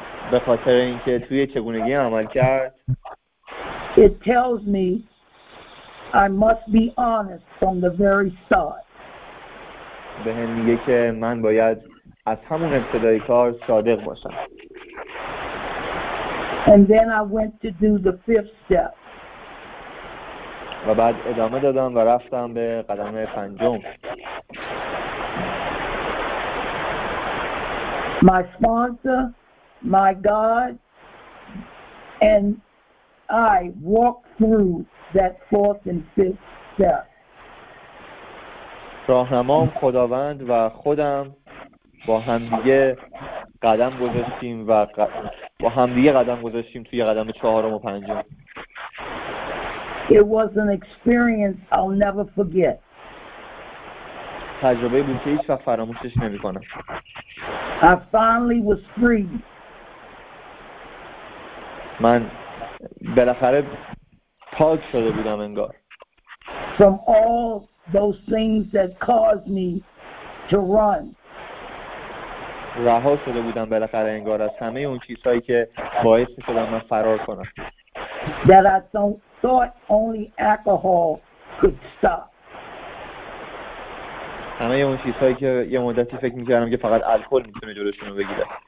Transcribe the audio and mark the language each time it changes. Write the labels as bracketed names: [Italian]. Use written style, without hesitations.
[Persian] به خاطر اینکه توی چگونگی عمل کرد، [English] it tells me I must be honest from the very start. [Persian] به هم میگه که من باید از همون ابتدای کار صادق باشم. [English] And then I went to do the fifth step. [Persian] و بعد ادامه دادم و رفتم به قدم پنجم. [English] My sponsor, my God, and I walked through that fourth and fifth step. [Persian] راهنمام، خداوند و خودم با هم دیگه قدم گذاشتیم و با هم دیگه قدم گذاشتیم توی قدم چهارم و پنجم. [English] It was an experience I'll never forget. [Persian] تجربه بود که هیچ وقت فراموشش نمی کنم. [English] I finally was free. [Persian] من بالاخره پاک شده بودم انگار. [English] From all those things that caused me to run. [Persian] رها شده بودم بالاخره انگار از همه اون چیزهایی که باعث می‌شدن من فرار کنم. [English] That I thought only alcohol could stop. [Persian] همه اون چیزهایی که یه مدتی فکر می‌کردم که فقط الکل می‌تونه جلوشون رو بگیره.